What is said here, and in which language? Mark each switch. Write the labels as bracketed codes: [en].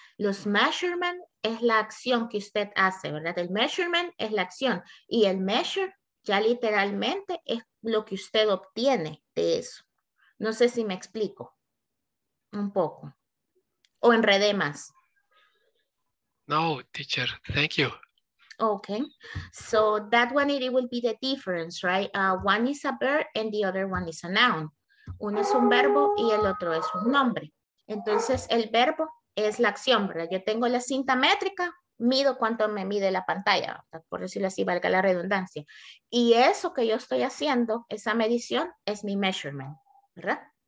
[es] Los measurement es la acción que usted hace, ¿verdad? El measurement es la acción y el measure ya literalmente es lo que usted obtiene de eso. No sé si me explico un poco o enredé más. [en] No, teacher, thank you. Okay, so that one, it will be the difference, right? One is a verb and the other one is a noun. [es] Uno es un verbo y el otro es un nombre. Entonces, el verbo es la acción, ¿verdad? Yo tengo la cinta métrica, mido cuánto me mide la pantalla, ¿verdad? Por decirlo así, valga la redundancia. Y eso que yo estoy haciendo, esa medición, es mi measurement, ¿verdad?